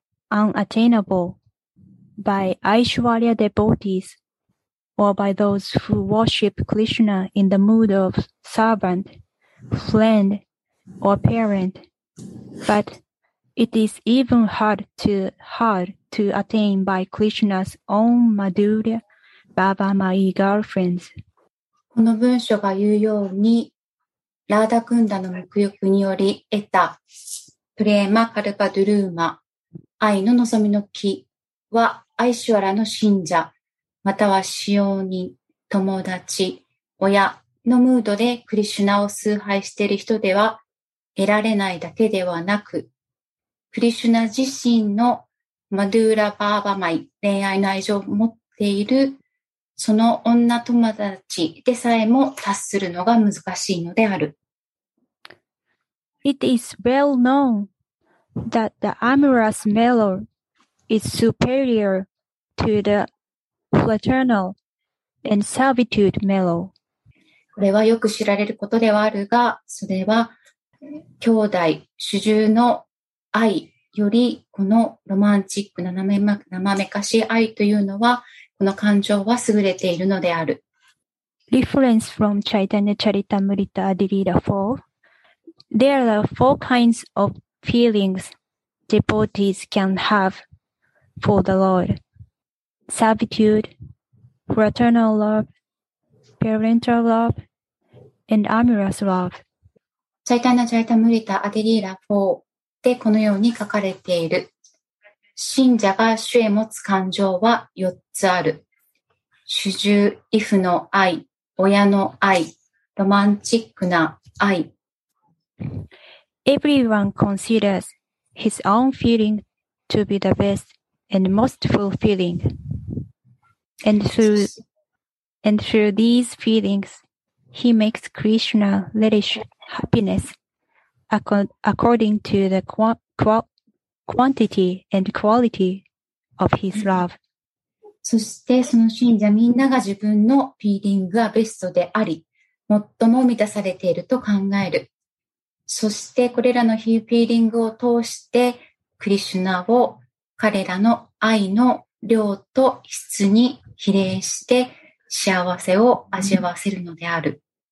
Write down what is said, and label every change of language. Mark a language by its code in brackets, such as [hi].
[en] unattainable by Aishwarya devotees or by those who worship Krishna in the mood of servant, friend, or parent, but it is even hard to attain by Krishna's own Madhurya Baba Mai girlfriends. [ja] この文章が言うように、ラーダクンダの沐浴により得たプレーマ・カルパ・ドゥルーマ、愛の望みの木は、アイシュワラの信者、または使用人、友達、親のムードでクリシュナを崇拝している人では得られないだけではなく、クリシュナ自身のマドゥーラ・バーバマイ、恋愛の愛情を持っているその女友達でさえも達するのが難しいのである。 [en] It is well known that the amorous male is superior to the fraternal and servitude male. [ja] これはよく知られることではあるが、それは兄弟、主従の愛よりこのロマンチックな生めかしい愛というのは、この感情は優れているのである。 [en] Reference from Chaitanya Charitamrita Adilila 4. There are four kinds of feelings devotees can have for the Lord. Servitude, fraternal love, parental love, and amorous love. [ja] Chaitanya Charitamrita Adilila 4でこのように書かれている。信者が主へ持つ感情は4つある。主従、依附の愛、親の愛、ロマンチックな愛。 [en] Everyone considers his own feeling to be the best and most fulfilling. And through these feelings, he makes Krishna relish happiness according to the quantity and quality of his love. [ja] そしてその信者みんなが自分のフィーリングがベストであり、最も満たされていると考える。そしてこれらのフィーリングを通して、クリシュナを彼らの愛の量と質に比例して幸せを味わせるのである。